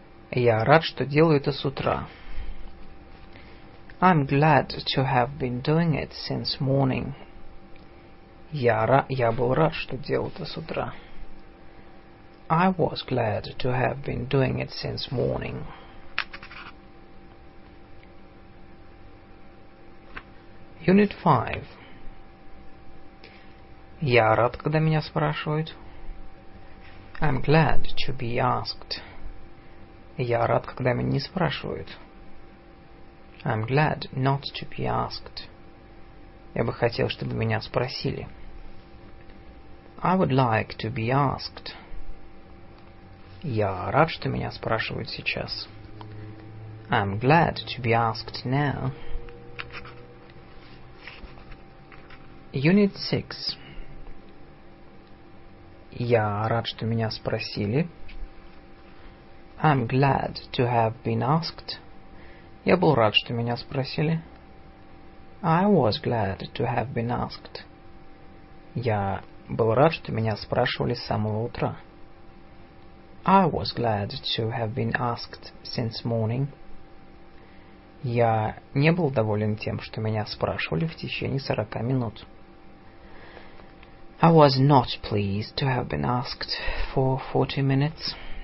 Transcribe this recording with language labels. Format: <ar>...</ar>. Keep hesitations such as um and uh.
<ru>Я рад, что делаю это с утра.</ru> <en>I'm glad to have been doing it since morning.</en> <ru>Я, ра... я был рад, что делал это с утра.</ru> <en>I was glad to have been doing it since morning. Unit 5.</en> <ru>Я рад, когда меня спрашивают.</ru> <en>I'm glad to be asked.</en> <ru>Я рад, когда меня не спрашивают.</ru> <en>I'm glad not to be asked.</en> <ru>Я бы хотел, чтобы меня спросили.</ru> <en>I would like to be asked.</en> <ru>Я рад, что меня спрашивают сейчас.</ru> <en>I'm glad to be asked now. Unit 6.</en> <ru>Я рад, что меня спросили.</ru> <en>I'm glad to have been asked.</en> <ru>Я был рад, что меня спросили.</ru> <en>I was glad to have been asked.</en> <ru>Я был рад, что меня спрашивали с самого утра.</ru> <en>I was glad to have been asked since morning.</en> <ru>Я не был доволен тем, что меня спрашивали в течение сорока минут.</ru> <en>I was not pleased to have been asked for 40 minutes.</en>